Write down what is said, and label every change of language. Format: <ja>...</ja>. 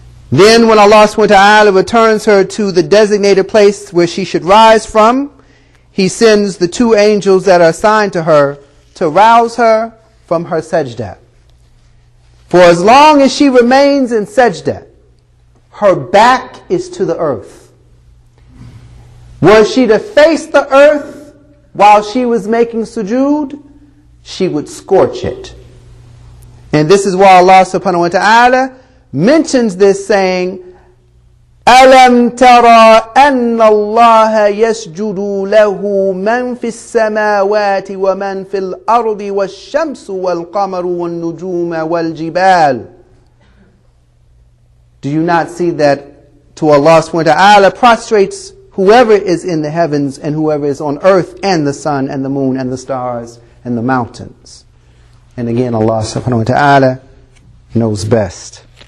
<en>Then when Allah subhanahu wa ta'ala returns her to the designated place where she should rise from, he sends the 2 angels that are assigned to her to rouse her from her sajda. For as long as she remains in sajda, her back is to the earth. Were she to face the earth while she was making sujood, she would scorch it. And this is why Allah subhanahu wa ta'ala mentions this, saying,</en> <ar>أَلَمْ تَرَى أَنَّ اللَّهَ يَسْجُدُ لَهُ مَنْ فِي السَّمَاوَاتِ وَمَنْ فِي الْأَرْضِ وَالشَّمْسُ وَالْقَمَرُ وَالنُّجُومَ وَالْجِبَالُ.</ar> <en>Do you not see that to Allah subhanahu wa ta'ala prostrates whoever is in the heavens and whoever is on earth, and the sun and the moon and the stars and the mountains? And again, Allah subhanahu wa ta'ala knows best.</en>